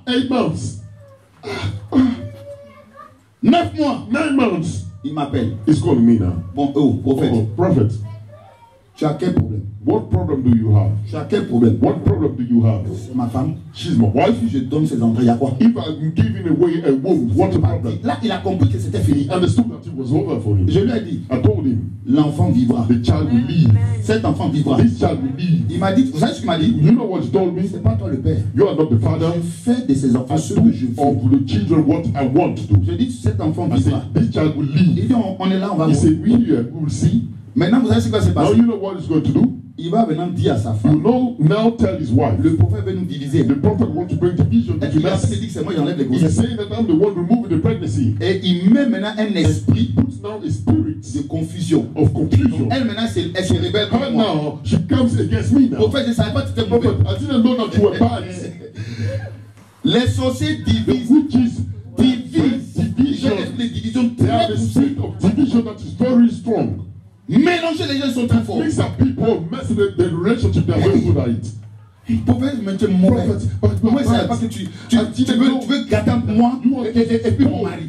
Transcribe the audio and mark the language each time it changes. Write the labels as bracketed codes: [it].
[en] 8 months. [fr] 9 mois. [en] 9 months. [fr] Il m'appelle. [en] He's calling me now. [fr] Bon, oh, prophète. Oh, [en] prophet. [fr] Tu as quel problème? [en] What problem do you have? [fr] Tu as quel problème? [en] What problem do you have? [fr] C'est ma femme. [en] She's my wife. [fr] Si je donne ses entrées, y a quoi? [en] If I'm giving away a womb, what's the problem? [fr] Là, il a compris que c'était fini. [en] Understood that it was over for him. [fr] Je lui ai dit. [en] I told him. [fr] L'enfant vivra. [en] The child will live. [fr] Cet enfant vivra. [en] This child will live. [fr] Il m'a dit. Vous savez ce qu'il m'a dit? [en] You know what he told me? [fr] C'est pas toi le père. [en] You are not the father. [fr] Je fais de ses enfants ce que je veux. [en] For the children, what I want to do. [fr] Je dis, cet enfant vivra. [en] I said, this child will live. [fr] Il dit, on est là, on va [en] voir. He said, we will see. [fr] Maintenant, vous savez ce qui va se passer. [en] Now you know what he's going to do. [fr] Il va maintenant dire à sa femme. [en] You know, now tell his wife. [fr] Le prophète veut nous diviser. [en] The prophet wants to bring division. [fr] Et il a dit que c'est moi qui enlève les grossesses. [en] He's saying that I'm the one removing the pregnancy. [fr] Et il met maintenant un esprit. [en] He puts now a spirit [fr] de confusion. [en] Of confusion. [fr] Donc elle maintenant elle se rébelle contre moi. [en] Now she comes against me now. [fr] Prophète, je savais pas que tu étais prophète. [en] I didn't know that you were bad. [fr] Les sorciers divisent. [en] The witches [fr] divisent. [en] Division. They have a spirit of division that is very strong. [fr] Mélanger les gens sont très forts. [en] Mix up people, mess the relationship they are very good at it. [fr] Prophète, maintenant mauvais. Prophète, c'est parce que tu veux garder moi et puis mon mari.